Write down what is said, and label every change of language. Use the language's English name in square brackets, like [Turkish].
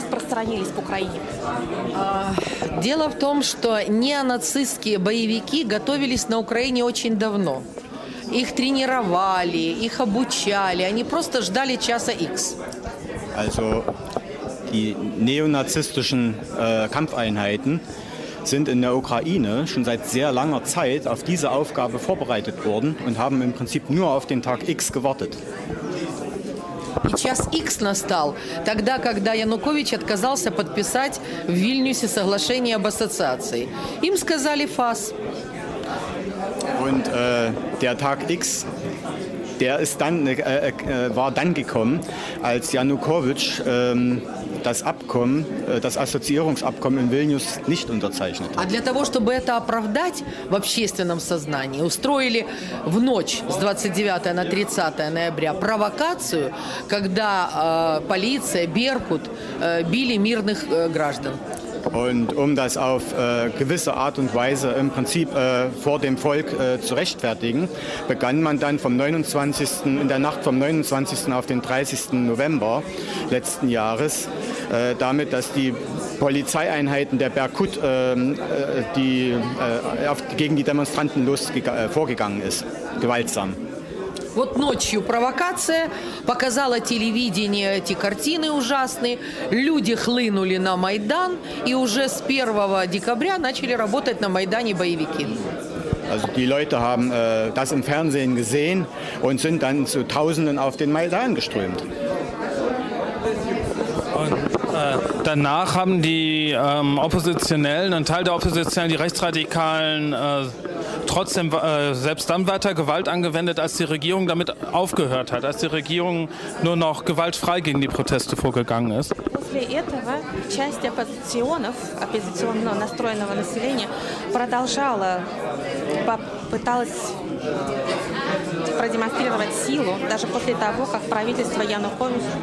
[Russian] распространились по Украине? Дело в том, что неонацистские боевики готовились на Украине очень давно. Их тренировали, их обучали, они просто ждали часа X. [German] Also die neonazistischen Kampfeinheiten sind in der Ukraine schon seit sehr langer Zeit auf diese Aufgabe vorbereitet worden und haben im Prinzip nur auf den Tag X gewartet. [Russian] И час X настал, тогда, когда Янукович отказался подписать в Вильнюсе соглашение об ассоциации. Им сказали ФАС. [German] Und der Tag X, der ist dann, war dann gekommen, als Janukowitsch das Abkommen, das Assoziierungsabkommen in Vilnius nicht unterzeichnet hat. [Russian] А для того, чтобы это оправдать в общественном сознании, устроили в ночь с 29 на 30 ноября провокацию, когда полиция, Беркут били мирных граждан. [German] Und um das auf gewisse Art und Weise im Prinzip vor dem Volk zu rechtfertigen, begann man dann vom 29. in der Nacht vom 29. auf den 30. November letzten Jahres damit, dass die Polizeieinheiten der Berkut gegen die Demonstranten vorgegangen ist, gewaltsam. [Russian] Вот ночью провокация, показала телевидение эти картины ужасные, люди хлынули на Майдан, и уже с 1 декабря начали работать на Майдане боевики. [German] Also die Leute haben das im Fernsehen gesehen und sind dann zu Tausenden auf den Майдан geströmt. Danach haben die Oppositionellen, ein Teil der Oppositionellen, die Rechtsradikalen, trotzdem selbst dann weiter Gewalt angewendet, als die Regierung damit aufgehört hat, als die Regierung nur noch gewaltfrei gegen die Proteste vorgegangen ist. [Russian] После этого часть оппозиционно настроенного населения продолжала, пыталась продемонстрировать силу, даже после того, как правительство Януковича